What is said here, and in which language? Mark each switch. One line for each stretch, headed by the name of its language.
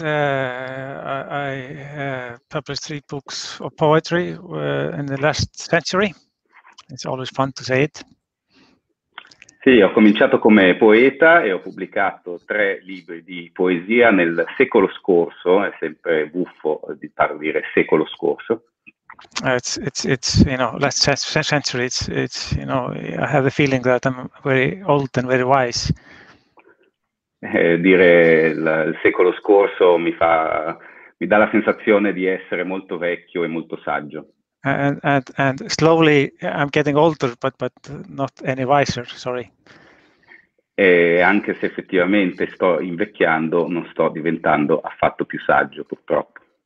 English: I published three books of poetry in the last century. It's always fun to say it.
Italian: Sì, ho cominciato come poeta e ho pubblicato tre libri di poesia nel secolo scorso. È sempre buffo di parlare secolo scorso.
English: Last century. I have a feeling that I'm very old and very wise.
Italian: Dire il secolo scorso mi dà la sensazione di essere molto vecchio e molto saggio.
English: And slowly I'm getting older, but not any wiser. Sorry.
Italian: E anche se effettivamente sto invecchiando, non sto diventando affatto più saggio, purtroppo.